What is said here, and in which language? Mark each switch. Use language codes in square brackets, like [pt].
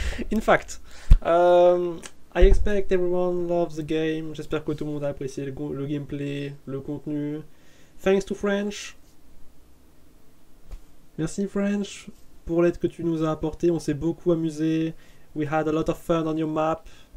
[en] In fact, I expect everyone loves the game. [fr] J'espère que tout le monde a apprécié le gameplay, le contenu. [en] Thanks to French. [fr] Merci French pour l'aide que tu nous as apportée. On s'est beaucoup amusé. [en] We had a lot of fun on your map.